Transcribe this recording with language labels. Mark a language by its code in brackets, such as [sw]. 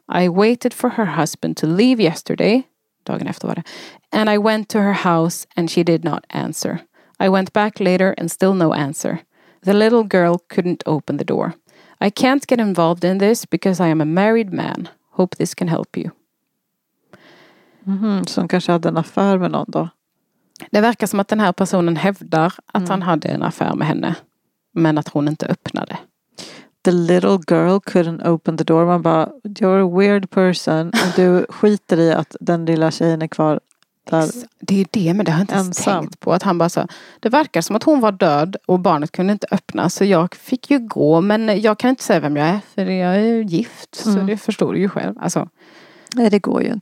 [en] I waited for her husband to leave yesterday. [sv] Dagen efter var det. [en] And I went to her house and she did not answer. I went back later and still no answer. The little girl couldn't open the door. I can't get involved in this because I am a married man. Hope this can help you. Mm-hmm. [sv] Så han kanske hade en affär med någon då? Det verkar som att den här personen hävdar att han hade en affär med henne. Men att hon inte öppnade. [en] The little girl couldn't open the door. [sv] Man bara, [en] you're a weird person. [sv] Och du skiter i att den lilla tjejen är kvar där. Det är ju det, men det har jag inte ensam. Tänkt på. Att han bara sa, det verkar som att hon var död och barnet kunde inte öppna. Så jag fick ju gå, men jag kan inte säga vem jag är. För jag är gift, så det förstår du ju själv. Alltså, nej, det går ju inte.